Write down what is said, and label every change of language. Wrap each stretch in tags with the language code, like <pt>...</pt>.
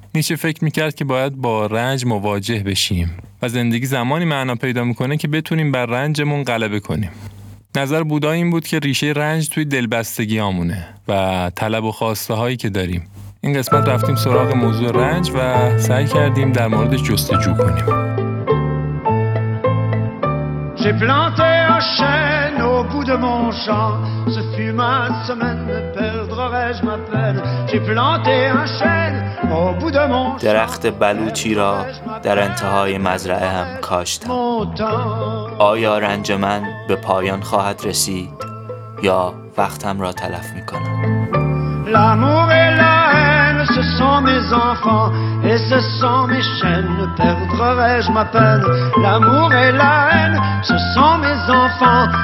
<fa>نیچه فکر میکرد که باید با رنج مواجه بشیم و زندگی زمانی معنا پیدا میکنه که بتونیم بر رنجمون غلبه کنیم. نظر بودا این بود که ریشه رنج توی دلبستگی آمونه و طلب و خواسته هایی که داریم. این قسمت رفتیم سراغ موضوع رنج و سعی کردیم در موردش جستجو کنیم.</fa> <fr>J'ai planté un chêne au bout de mon champ. Ce fut ma semaine, perdrai-je ma peine. J'ai planté un chêne au bout de mon champ.</fr> <fa>درخت بلوطی را در انتهای مزرعه هم کاشتم. آیا رنج من به پایان خواهد رسید یا وقتم را تلف میکنم؟</fa> <fr>L'amour et la haine, ce sont mes enfants et ce sont mes chaînes. Perdrai-je ma peine? L'amour et la haine, ce sont mes enfants.</fr>